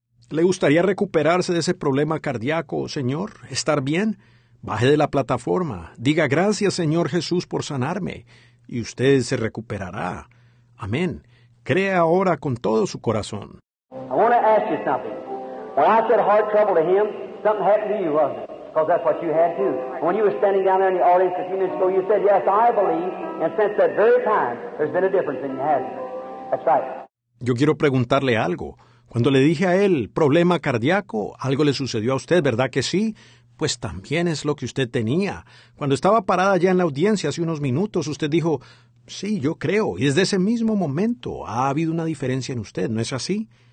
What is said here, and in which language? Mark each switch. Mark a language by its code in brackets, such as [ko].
[es] ¿Le gustaría recuperarse de ese problema cardíaco, Señor? ¿Estar bien? Baje de la plataforma. Diga gracias, Señor Jesús, por sanarme. Y usted se recuperará. Amén. Crea ahora con todo su corazón. [en] I want to ask you something. When I said heart trouble to him, something happened to you, wasn't it? Because that's what you had too. When you were standing down there in the audience a few minutes ago, you said, yes, I believe. And since that very time, there's been a difference in you, hasn't there? That's right. [es] Yo quiero preguntarle algo. Cuando le dije a él, problema cardíaco, algo le sucedió a usted, ¿verdad que sí? Pues también es lo que usted tenía. Cuando estaba parada ya en la audiencia hace unos minutos, usted dijo, sí, yo creo. Y desde ese mismo momento ha habido una diferencia en usted, ¿no es así?